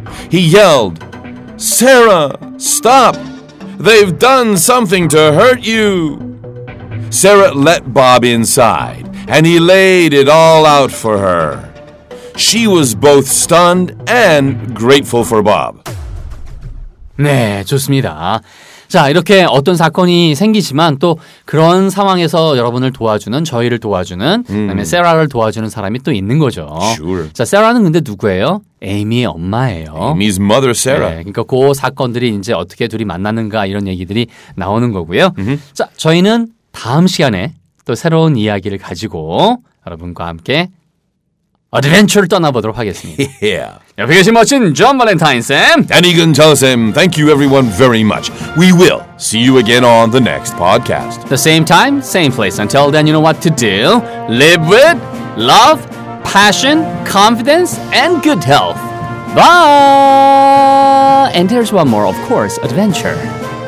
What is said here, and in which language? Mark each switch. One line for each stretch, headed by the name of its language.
English: He yelled, Sarah, stop! They've done something to hurt you! Sarah let Bob inside, and he laid it all out for her. She was both stunned and grateful for Bob.
Korean: 네, 좋습니다. 자, 이렇게 어떤 사건이 생기지만 또 그런 상황에서 여러분을 도와주는, 저희를 도와주는, 그다음에 세라를 도와주는 사람이 또 있는 거죠.
English: Sure.
Korean: 자, 세라는 근데 누구예요? 에이미의 엄마예요.
English: Amy's mother, Sarah.
Korean: 네, 그러니까 그 사건들이 이제 어떻게 둘이 만났는가 이런 얘기들이 나오는 거고요. Mm-hmm. 자, 저희는 다음 시간에 또 새로운 이야기를 가지고 여러분과 함께 어드벤처를 떠나보도록 하겠습니다.
English: Yeah.
Korean: 옆에 계신 멋진 존 발렌타인 쌤.
English: 애니근 저 쌤. Thank you everyone very much. We will see you again on the next podcast. The same time, same place. Until then, you know what to do. Live with love, passion, confidence, and good health. Bye! And there's one more, of course, adventure.